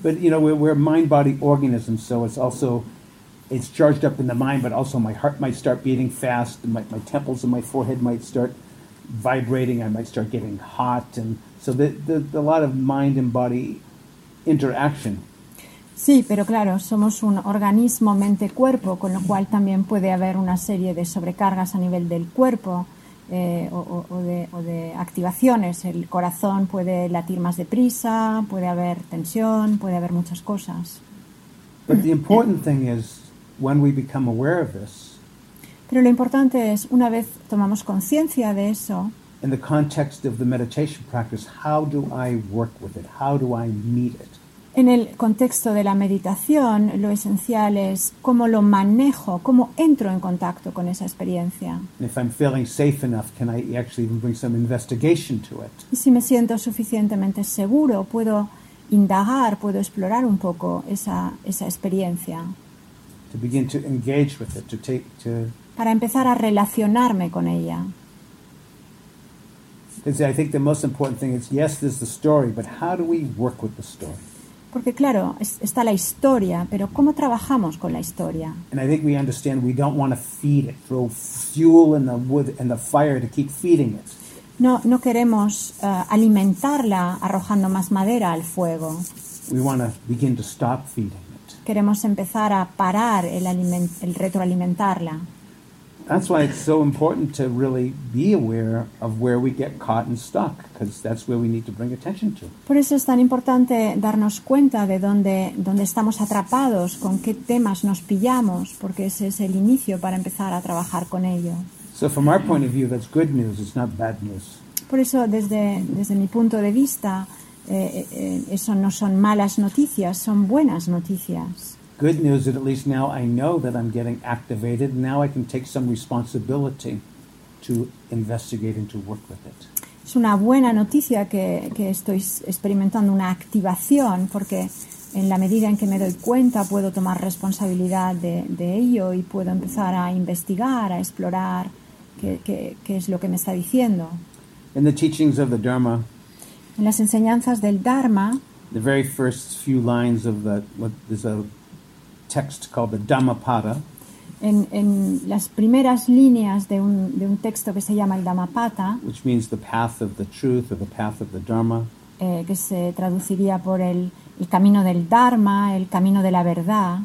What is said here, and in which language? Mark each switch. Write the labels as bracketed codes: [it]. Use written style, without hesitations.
[en] But you know, we're mind-body organisms, so it's charged up in the mind, but also my heart might start beating fast, and my temples and my forehead might start vibrating, I might start getting hot, and so the lot of mind and body interaction. [es] Sí, pero claro, somos un organismo mente-cuerpo, con lo cual también puede haber una serie de sobrecargas a nivel del cuerpo o de activaciones. El corazón puede latir más deprisa, puede haber tensión, puede haber muchas cosas. [en] But the important thing is, when we become aware of this, [es] pero lo importante es, una vez tomamos conciencia de eso, [en] in the context of the meditation practice, how do I work with it? How do I meet it? [es] En el contexto de la meditación, lo esencial es cómo lo manejo, cómo entro en contacto con esa experiencia. [en] If I'm feeling safe enough, can I actually even bring some investigation to it? [es] Y si me siento suficientemente seguro, puedo indagar, puedo explorar un poco esa experiencia. [en] To begin to engage with it, to [es] para empezar a relacionarme con ella. [en] I think the most important thing is, yes, there's the story, but how do we work with the story? [es] Porque claro, está la historia, pero ¿cómo trabajamos con la historia? [en] And I think we understand we don't want to feed it, throw fuel in the wood and the fire to keep feeding it. [es] No queremos alimentarla arrojando más madera al fuego. [en] We want to begin to stop feeding it. [es] Queremos empezar a parar el retroalimentarla. [en] That's why it's so important to really be aware of where we get caught and stuck, because that's where we need to bring attention to. [es] Por eso es tan importante darnos cuenta de dónde estamos atrapados, con qué temas nos pillamos, porque ese es el inicio para empezar a trabajar con ello. [en] So from our point of view, that's good news, it's not bad news. [es] por eso desde mi punto de vista eso no son malas noticias, son buenas noticias. [en] Good news that at least now I know that I'm getting activated. Now I can take some responsibility to investigate and to work with it. [es] Es una buena noticia que estoy experimentando una activación, porque en la medida en que me doy cuenta puedo tomar responsabilidad de ello y puedo empezar a investigar, a explorar qué es lo que me está diciendo. [en] In the teachings of the Dharma, [es] en las enseñanzas del Dharma, [en] the very first few lines of the what is a text called the Dhammapada. [es] En las primeras líneas de un texto que se llama el Dhammapada, [en] which means the path of the truth or the path of the Dharma, [es] que se traduciría por el camino del Dharma, el camino de la verdad,